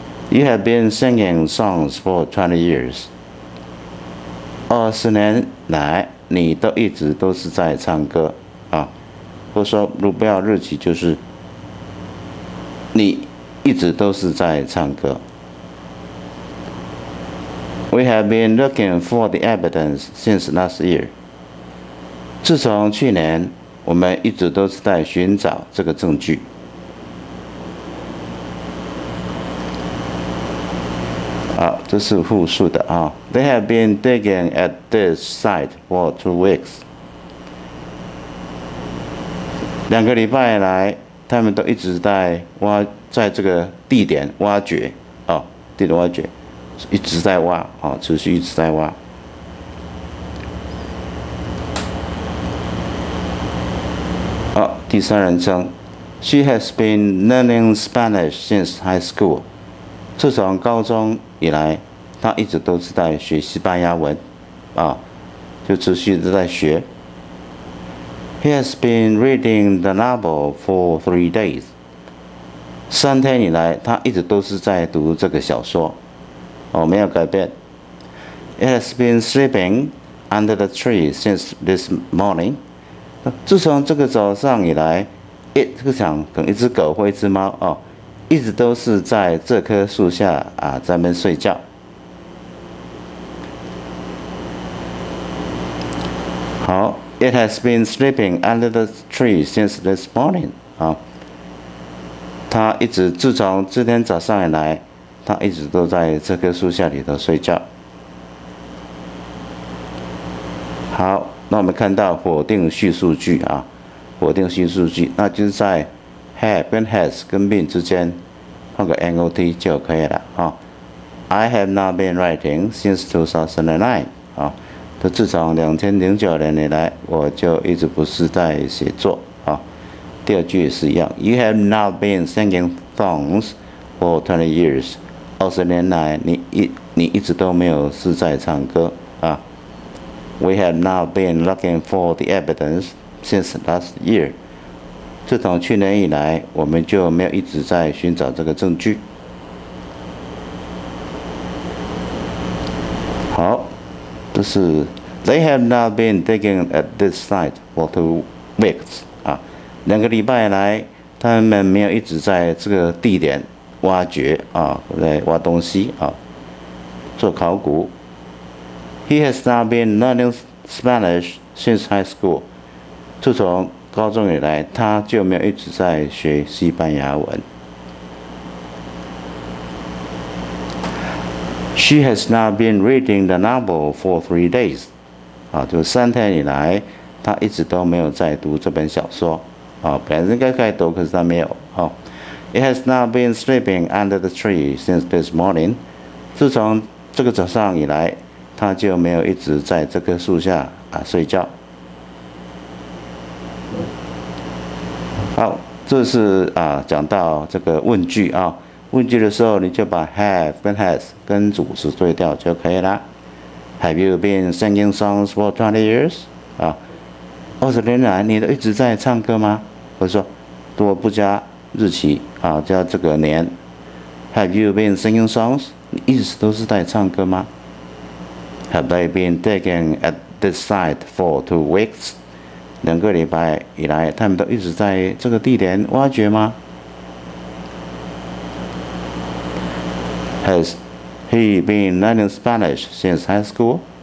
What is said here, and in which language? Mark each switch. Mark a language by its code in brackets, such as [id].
[en] You have been singing songs for 20 years. [zh] 20年来，你都一直都是在唱歌啊。或说，如果不要日期，就是你一直都是在唱歌。 [en] We have been looking for the evidence since last year. [zh] 自从去年，我们一直都是在寻找这个证据。好，这是复述的啊。 [en] They have been digging at this site for 2 weeks. [zh] 2个礼拜来，他们都一直在挖，在这个地点挖掘啊，地点挖掘，一直在挖啊，持续一直在挖。好，第三人称 [en] ，She has been learning Spanish since high school. [zh] 自从高中以来，他一直都是在学西班牙文，啊，就持续都在学。 [en] He has been reading the novel for 3 days. [zh] 3天以来，他一直都是在读这个小说，哦，没有改变。 [en] He has been sleeping under the tree since this morning. [zh] 自从这个早上以来 ，it 这个想可能一只狗或一只猫哦。一直都是在这棵树下啊，在那边睡觉。 [en] 好 ，It has been sleeping under the tree since this morning。 [zh] 啊，他一直自从这天早上以来，他一直都在这棵树下里头睡觉。好，那我们看到否定叙述句啊，否定叙述句，那就是在 have 跟 has 跟 been 之间。放个 NOT 就可以了啊。 [en] I have not been writing since 2009啊， [zh] 他自从2009年以来，我就一直不是在写作啊。第二句也是一样 [en] ，You have not been singing songs for 20 years。 [zh] 20年来，你一直都没有是在唱歌啊。 [en] We have not been looking for the evidence since last year。 [zh] 自从去年以来，我们就没有一直在寻找这个证据。好，这是 [en] They have not been digging at this site for 2 weeks [zh] 啊，两个礼拜来，他们没有一直在这个地点挖掘啊，来挖东西啊，做考古。 [en] He has not been learning Spanish since high school。 [zh] 自从高中以来，他就没有一直在学西班牙文。 [en] She has not been reading the novel for 3 days。 [zh] 啊，就3天以来，他一直都没有在读这本小说。啊，本来应该在读，可是他没有。 [en] 哦 ，It has not been sleeping under the tree since this morning。 [zh] 自从这个早上以来，他就没有一直在这棵树下啊睡觉。好，这是啊讲到这个问句啊。问句的时候，你就把 have 跟 has 跟主词对调就可以了。 [en] Have you been singing songs for 20 years？ [zh] 啊，20年来你都一直在唱歌吗？或者说，如果不加日期啊，加这个年 ， [en] Have you been singing songs？ [zh] 你一直都是在唱歌吗 [en] ？Have they been digging at this site for 2 weeks？ [zh] 两个礼拜以来，他们都一直在这个地点挖掘吗？ [en] Has he been learning Spanish since high school?